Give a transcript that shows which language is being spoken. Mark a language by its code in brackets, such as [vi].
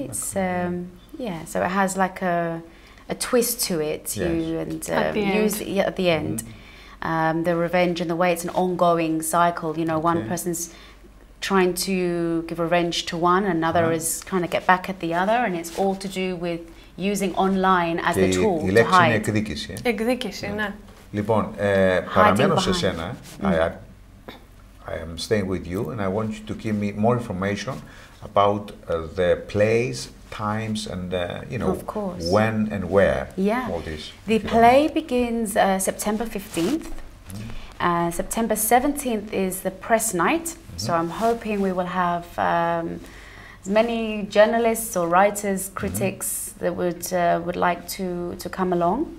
[en] It's yeah, so it has like a twist to it. Yes. You and use it at the end. Mm-hmm. The revenge and the way it's an ongoing cycle. You know, okay, one person's trying to give revenge to one, another is trying to get back at the other, and it's all to do with using online as the tool to hide. [el] Και η λέξη είναι εκδίκηση. Εκδίκηση, ναι. Λοιπόν, παραμένω σε σένα. [en] I am staying with you, and I want you to give me more information about the place, times, and you know, of course, when and where. Yeah. All this. The play begins September 15th. Mm-hmm. September 17th is the press night, mm-hmm, so I'm hoping we will have as many journalists or writers, critics, mm-hmm, that would like to come along.